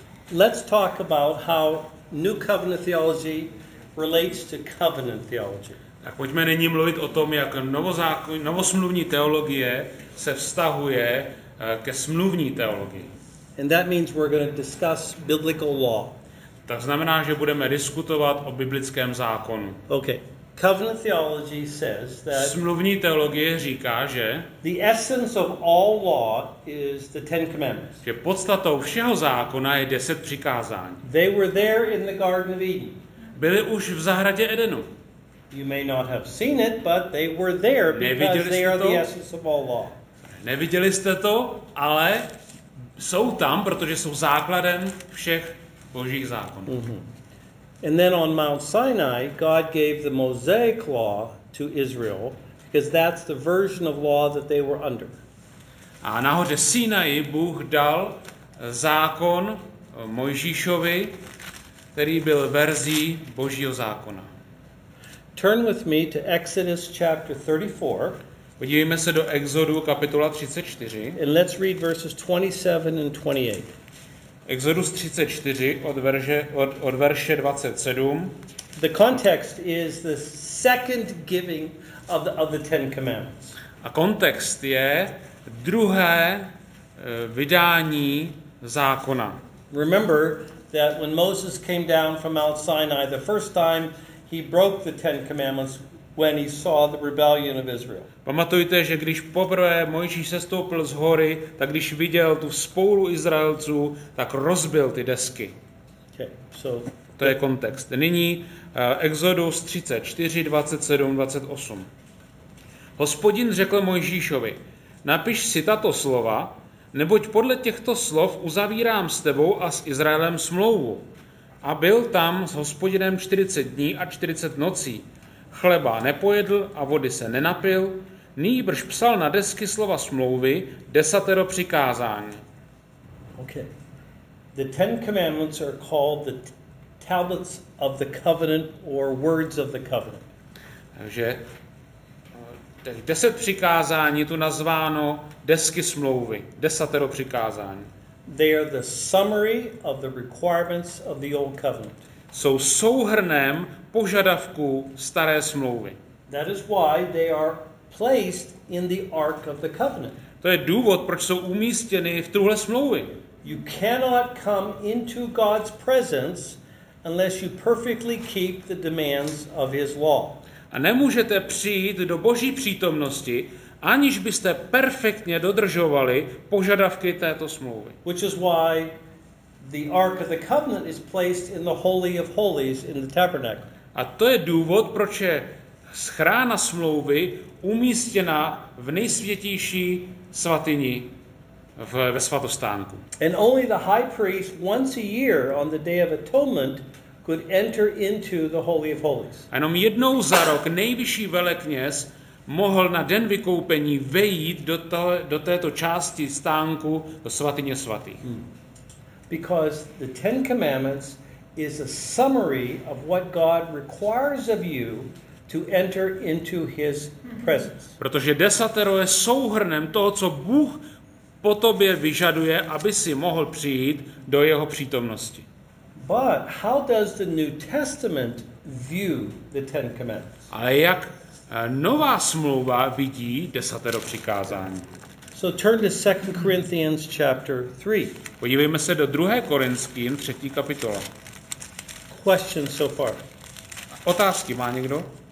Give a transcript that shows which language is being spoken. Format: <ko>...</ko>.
<en>Let's talk about how New Covenant theology relates to covenant theology.</en> <cs>Tak pojďme nyní mluvit o tom, jak novosmluvní teologie se vztahuje ke smluvní teologii.</cs> <en>And that means we're going to discuss biblical law.</en> <cs>Tak znamená, že budeme diskutovat o biblickém zákonu.</cs> <en>Okay. Covenant theology says that</en> <cs>smluvní teologie říká, že</cs> <en>the essence of all law is the Ten Commandments.</en> <cs>Že podstatou všeho zákona je 10 přikázání.</cs> <en>They were there in the Garden of Eden.</en> <cs>Byli už v zahradě Edenu.</cs> <en>You may not have seen it, but they were there because they are</en> <cs>to?</cs> <en>The essence of all law.</en> <cs>Neviděli jste to, ale jsou tam, protože jsou základem všech Božích zákonů. Mm-hmm.</cs> <en>And then on Mount Sinai, God gave the Mosaic law to Israel because that's the version of law that they were under.</en> <cs>A nahoře Sinai Bůh dal zákon Mojžíšovi, který byl verzí Božího zákona.</cs> <en>Turn with me to Exodus chapter 34.</en> <cs>Podívejme se do Exodu kapitola 34.</cs> <en>And let's read verses 27 and 28.</en> <cs>Exodus 34 od verše 27.</cs> <en>The context is the second giving of the Ten Commandments.</en> <cs>A kontext je druhé vydání zákona.</cs> <en>Remember that when Moses came down from Mount Sinai the first time, he broke the Ten Commandments when he saw the rebellion of Israel.</en> <cs>Pamatujte, že když poprvé Mojžíš sestoupil z hory, tak když viděl tu spolu Izraelců, tak rozbil ty desky.</cs> <en>Okay, so</en> <cs>to je kontext. Nyní Exodus 34, 27, 28. Hospodin řekl Mojžíšovi, napiš si tato slova, neboť podle těchto slov uzavírám s tebou a s Izraelem smlouvu. A byl tam s Hospodinem 40 dní a 40 nocí. Chleba nepojedl a vody se nenapil, nýbrž psal na desky slova smlouvy, desatero přikázání.</cs> <en>Okay. The Ten Commandments are called the tablets of the covenant or words of the covenant.</en> <cs>Takže 10 přikázání tu nazváno desky smlouvy, desatero přikázání.</cs> <en>They are the summary of the requirements of the old covenant.</en> <cs>Jsou souhrnem požadavků staré smlouvy.</cs> <en>That is why they are placed in the Ark of the Covenant.</en> <cs>To je důvod, proč jsou umístěny v truhle smlouvy.</cs> <en>You cannot come into God's presence unless you perfectly keep the demands of his law.</en> <cs>A nemůžete přijít do Boží přítomnosti, aniž byste perfektně dodržovali požadavky této smlouvy.</cs> <en>Which is why the Ark of the Covenant is placed in the Holy of Holies in the Tabernacle.</en> <cs>A to je důvod, proč je schrána smlouvy umístěna v nejsvětější svatyni ve svatostánku.</cs> <en>And only the high priest once a year on the Day of Atonement could enter into the Holy of Holies.</en> <cs>A jenom jednou za rok nejvyšší velekněz mohl na den vykoupení vejít do této části stánku, do svatyně svatých. Hmm.</cs> <en>Because the Ten Commandments is a summary of what God requires of you to enter into his presence.</en> <cs>Protože desatero je souhrnem toho, co Bůh po tobě vyžaduje, aby si mohl přijít do jeho přítomnosti.</cs> <en>But how does the New Testament view the Ten Commandments?</en> <cs>Ale jak nová smlouva vidí desatero přikázání?</cs> <en>So turn to 2 Corinthians chapter 3.</en> <cs>Podívejme se do 2. Korinským, 3. kapitola.</cs> <en>Question so far.</en> <cs>Otázky má někdo?</cs>